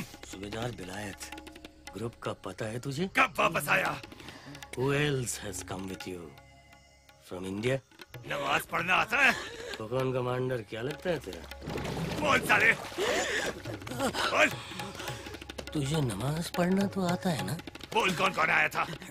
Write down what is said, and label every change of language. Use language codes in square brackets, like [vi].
[hi] सुबेदार बिलायत, group का पता है तुझे? कब वापस आया? [en] Who else has come with you from India? [hi] नमाज पढ़ना आता है? कौन कमांडर, क्या लगता है तेरा? बोल साले, बोल, तुझे नमाज पढ़ना तो आता है ना? बोल कौन कौन आया था?